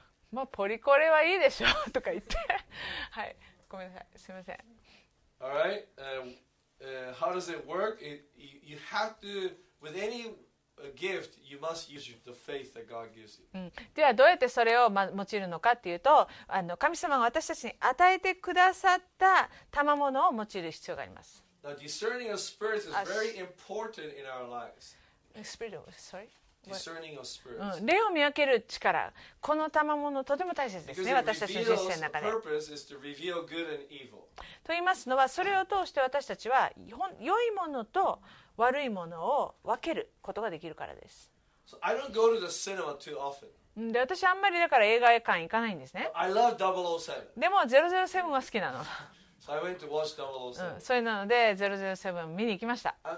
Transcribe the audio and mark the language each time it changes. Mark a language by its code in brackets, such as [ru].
[ja] まあ、ポリコレはいいでしょとか言ってはい、ごめんなさい、すいません。 [en] Alright, how does it work? You have to, with any gift, you must use the faith that God gives you. [ja] ではどうやってそれを用いるのかっていうと、神様が私たちに与えてくださった賜物を用いる必要があります。 [en] Now, discerning of spirits is very important in our lives. Spirit, sorry? Discerning of spirits. [ja] 霊を見分ける力、この賜物とても大切ですね、私たちの人生の中で。 [en] Purpose is to reveal good and evil. [ja] と言いますのは、それを通して私たちは良いものと悪いものを分けることができるからです。 [en] So I don't go to the cinema too often. [ja] で、私あんまりだから映画館行かないんですね。 [en] I love 007. [ja] でも007は好きなの。 [en] So I went to watch 007. [ja] それなので007見に行きました。